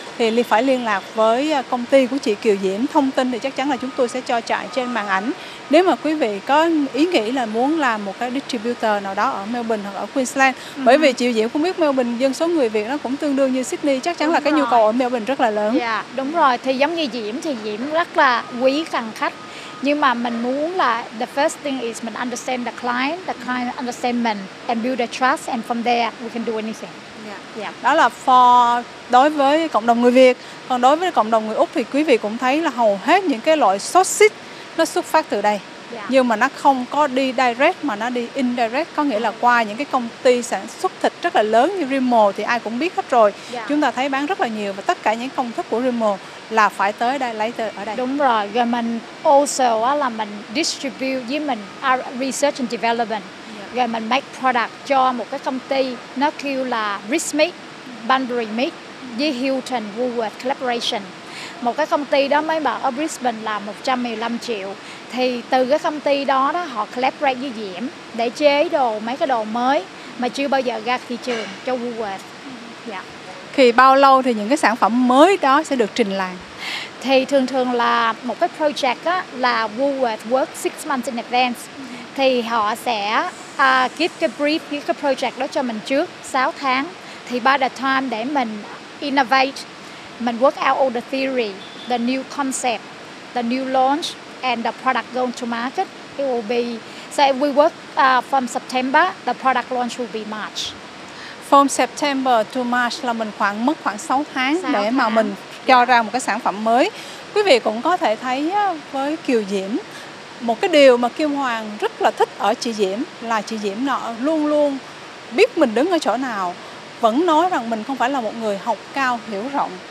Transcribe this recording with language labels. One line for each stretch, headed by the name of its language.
Vietnamese: Thì phải liên lạc với công ty của chị Kiều Diễm. Thông tin thì chắc chắn là chúng tôi sẽ cho chạy trên màn ảnh. Nếu mà quý vị có ý nghĩ là muốn làm một cái distributor nào đó ở Melbourne hoặc ở Queensland. Bởi vì chị Diễm cũng biết Melbourne dân số người Việt nó cũng tương đương như Sydney. Chắc chắn là cái nhu cầu ở Melbourne rất là lớn. Đúng rồi, thì giống như Diễm thì Diễm rất là quý khách hàng.
English: Nhưng mà mình muốn là the first thing is mình understand the client understand mình and build a trust, and from there we can do anything.
Vietnamese: Đó là for đối với cộng đồng người Việt. Còn đối với cộng đồng người Úc thì quý vị cũng thấy là hầu hết những cái loại sausage nó xuất phát từ đây. Nhưng mà nó không có đi direct mà nó đi indirect, có nghĩa là qua những cái công ty sản xuất thịt rất là lớn như Rimmel thì ai cũng biết hết rồi. Chúng ta thấy bán rất là nhiều và tất cả những công thức của Rimmel là phải tới đây lấy từ ở đây. Đúng rồi, rồi mình also là mình distribute với mình research and development. Rồi mình make product cho một cái công ty nó kêu là Rich Meat, Bunbury Meat với Hilton Woolworth Collaboration. Một cái công ty đó mới mở ở Brisbane là 115 triệu. Thì từ cái công ty đó đó họ collaborate với Diễm để chế đồ, mấy cái đồ mới mà chưa bao giờ ra thị trường cho Woolworth. Thì bao lâu thì những cái sản phẩm mới đó sẽ được trình làng? Thì thường thường là một cái project á, là Woolworth work 6 months in advance. Thì họ sẽ give cái brief, give cái project đó cho mình trước 6 tháng.
English: Thì by the time để mình innovate, mình work out all the theory, the new concept, the new launch, and the product going to market, it will be, so if we work from September, the product launch will be March.
Vietnamese: From September to March là mình mất khoảng 6 tháng 6 để tháng. Mà mình cho ra một cái sản phẩm mới. Quý vị cũng có thể thấy với Kiều Diễm, một cái điều mà Kim Hoàng rất là thích ở chị Diễm là chị Diễm nọ luôn luôn biết mình đứng ở chỗ nào, vẫn nói rằng mình không phải là một người học cao hiểu rộng.